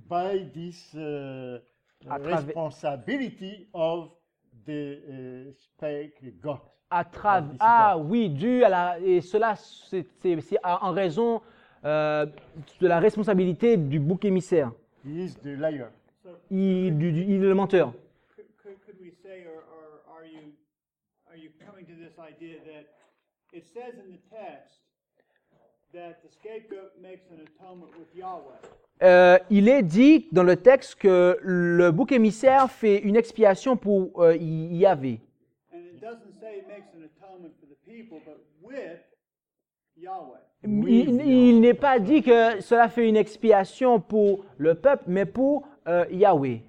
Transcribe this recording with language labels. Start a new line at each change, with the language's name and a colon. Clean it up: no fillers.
English: By this responsibility of the spake God.
French: À travers. Ah oui, dû à la. Et cela, c'est en raison de la responsabilité du bouc émissaire.
English: He is the liar.
French: Il est le menteur.
English: Could we say, or are you coming to this idea that it says in the text that the scapegoat makes an atonement with Yahweh.
French: Il est dit dans le texte que le bouc émissaire fait une expiation pour Yahvé.
English: And it doesn't say it makes an atonement for the people, but with Yahweh.
French: Il n'est pas dit que cela fait une expiation pour le peuple, mais pour Yahvé.